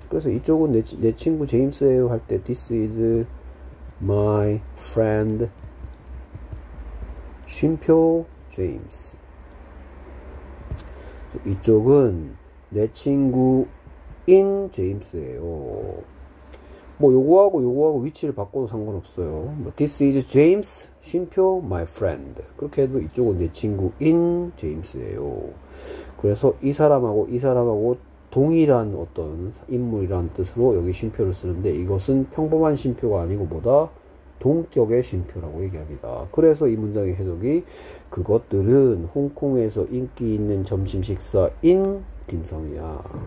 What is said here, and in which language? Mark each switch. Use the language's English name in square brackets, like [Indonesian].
[Korean] 그래서 이쪽은 내 친구 제임스예요 할때 [English] this is my friend [Korean] 쉼표 제임스. 이쪽은 내 친구인 제임스예요. 뭐 요거하고 위치를 바꿔도 상관없어요. 뭐 [English] This is James, [Korean] 쉼표, [English] my friend. [Korean] 그렇게 해도 이쪽은 내 친구인 제임스예요. 그래서 이 사람하고 동일한 어떤 인물이란 뜻으로 여기 쉼표를 쓰는데, 이것은 평범한 쉼표가 아니고 뭐다? 동격의 쉼표라고 얘기합니다. 그래서 이 문장의 해석이 그것들은 홍콩에서 인기 있는 점심 식사인 딤섬이야.